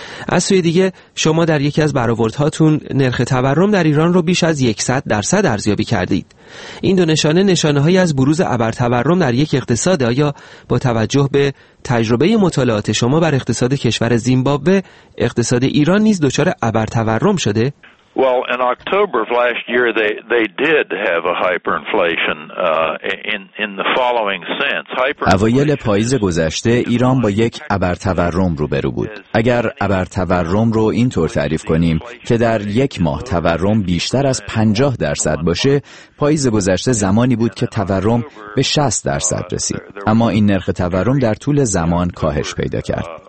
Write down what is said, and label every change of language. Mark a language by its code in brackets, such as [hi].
[fa] از سوی دیگه شما در یکی از برآوردهاتون نرخ تورم در ایران رو بیش از 100% ارزیابی کردید. این دو نشانه‌هایی از بروز ابرتورم در یک اقتصاد. آیا با توجه به تجربه مطالعات شما بر اقتصاد کشور زیمبابوه، اقتصاد ایران نیز دچار ابرتورم شده؟ [en] Well, in October of last year, they did have a hyperinflation in the following sense. [fa] اوایل پاییز گذشته ایران با یک ابرتورم روبرو بود. اگر ابرتورم رو اینطور تعریف کنیم که در یک ماه تورم بیشتر از 50% باشه، پاییز گذشته زمانی بود که تورم به 60% رسید. اما این نرخ تورم در طول زمان کاهش پیدا کرد.